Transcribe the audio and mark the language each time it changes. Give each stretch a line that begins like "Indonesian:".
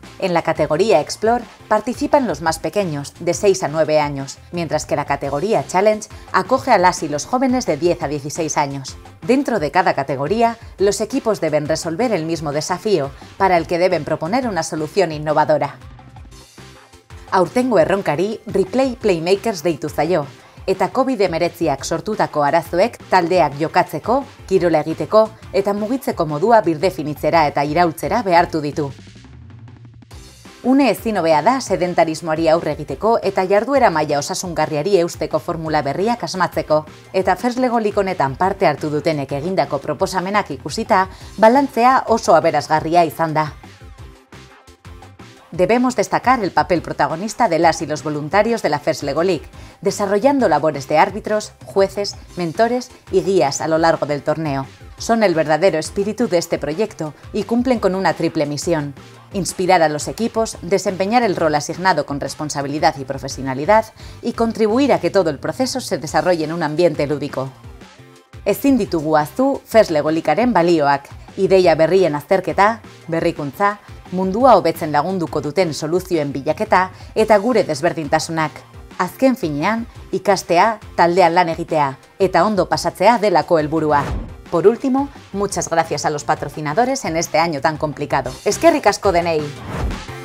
Spanish: En la categoría Explore participan los más pequeños, de 6 a 9 años, mientras que la categoría Challenge acoge a las y los jóvenes de 10 a 16 años. Dentro de cada categoría, los equipos deben resolver el mismo desafío, para el que deben proponer una solución innovadora.
Basque: Aurtengo erronkari, Replay Playmakers deitu zaio, eta COVID-19ak sortutako arazoek taldeak jokatzeko, kirola egiteko, eta mugitzeko modua birdefinitzera eta iraultzera behartu ditu. Une ezin hobea da sedentarismoari aurre egiteko eta jarduera maila osasungarriari eusteko formula berriak asmatzeko. Eta Feslego Lig honetan parte hartu dutenek egindako proposamenak ikusita, balantzea oso aberasgarria izan da.
Spanish: Debemos destacar el papel protagonista de las y los voluntarios de la Feslego Lig, desarrollando labores de árbitros, jueces, mentores y guías a lo largo del torneo. Son el verdadero espíritu de este proyecto y cumplen con una triple misión. Inspirar a los equipos, desempeñar el rol asignado con responsabilidad y profesionalidad y contribuir a que todo el proceso se desarrolle en un ambiente lúdico.
Basque: Ezin ditugu ahaztu Feslego Ligaren balioak, ideia berrien azterketa, berrikuntza, mundua hobetzen lagunduko duten soluzioen bilaketa eta gure desberdintasunak. Azken finean, ikastea, taldean lan egitea eta ondo pasatzea delako helburua.
Spanish: Por último, muchas gracias a los patrocinadores en este año tan complicado.
Basque: ¡Eskerrik asko denei!